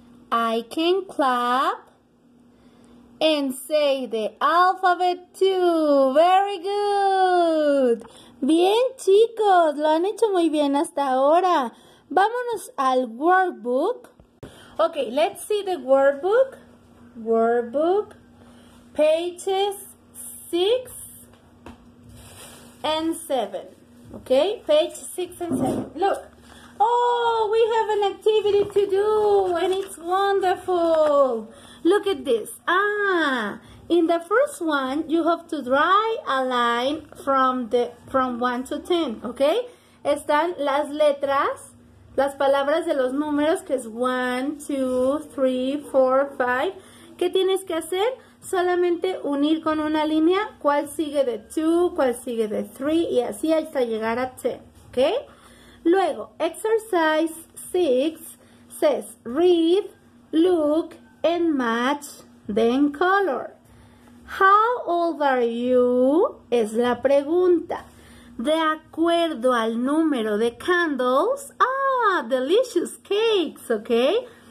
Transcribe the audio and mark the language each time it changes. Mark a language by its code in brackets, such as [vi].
[en] I can clap and say the alphabet too. Very good. [es] Bien, chicos, lo han hecho muy bien hasta ahora. Vámonos al workbook. [en] Okay, let's see the workbook. Workbook, pages 6 and 7. Okay, page 6 and 7. Look. Oh, we have an activity to do and it's wonderful. Look at this. In the first one, you have to draw a line from 1 to 10, okay? [es] Están las letras, las palabras de los números que es 1, 2, 3, 4, 5. ¿Qué tienes que hacer? Solamente unir con una línea cuál sigue de 2, cuál sigue de 3 y así hasta llegar a 10, ¿ok? Luego, [en] exercise 6 says read, look and match, then color. How old are you? [es] Es la pregunta. De acuerdo al número de candles, [en] delicious cakes, [es] ¿ok?